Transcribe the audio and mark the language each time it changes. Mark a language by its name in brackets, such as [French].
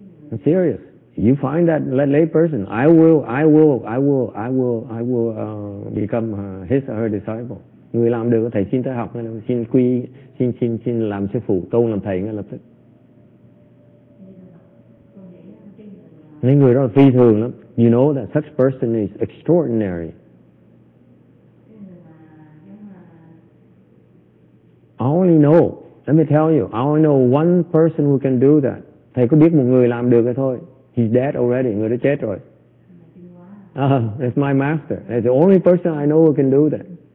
[English] I'm serious. You find that lay person, I will become his or her disciple. [Vietnamese] Người làm được thầy xin tới học, xin quy, xin làm sư phụ, tôn làm thầy ngay lập tức. Nên người đó là phi thường lắm. [English] You know that such person is extraordinary. Let me tell you, I only know one person who can do that. [Vietnamese] Thầy có biết một người làm được thôi. [English] He's dead already, [Vietnamese] người đó chết rồi. [English] That's my master. That's the only person I know who can do that.